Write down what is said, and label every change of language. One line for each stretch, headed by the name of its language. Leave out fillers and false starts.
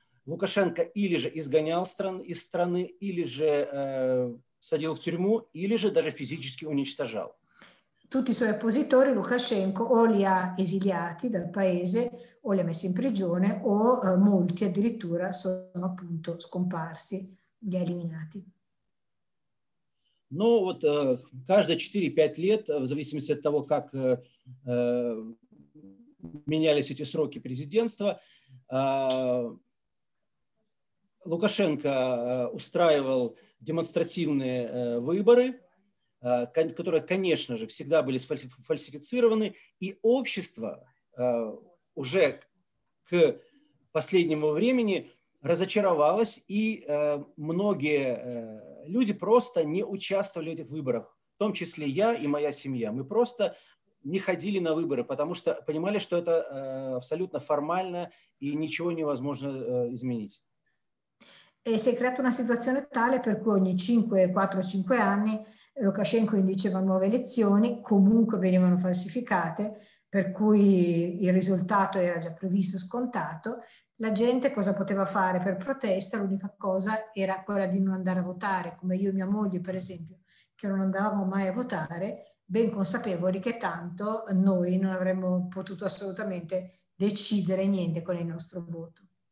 Russian: Лукашенко или же изгонял из страны, или же садил в тюрьму, или же даже физически уничтожал.
Italian: Tutti i suoi oppositori, Лукашенко, o li ha esiliati dal paese o li ha messi in prigione o molti addirittura sono appunto scomparsi, li ha eliminati.
Russian: Ну вот каждые 4-5 лет, в зависимости от того, как менялись эти сроки президентства, Лукашенко устраивал демонстративные выборы, которые, конечно же, всегда были сфальсифицированы, и общество уже к последнему времени разочаровалось, и многие люди просто не участвовали в этих выборах, в том числе я и моя семья. Мы просто не ходили на выборы, потому что понимали, что это абсолютно формально и ничего невозможно изменить.
Italian: E si è creata una situazione tale per cui ogni 4-5 anni Lukashenko indiceva nuove elezioni, comunque venivano falsificate, per cui il risultato era già previsto, scontato. La gente cosa poteva fare per protesta? L'unica cosa era quella di non andare a votare, come io e mia moglie, per esempio, che non andavamo mai a votare, ben consapevoli che tanto noi non avremmo potuto assolutamente decidere niente con il nostro voto.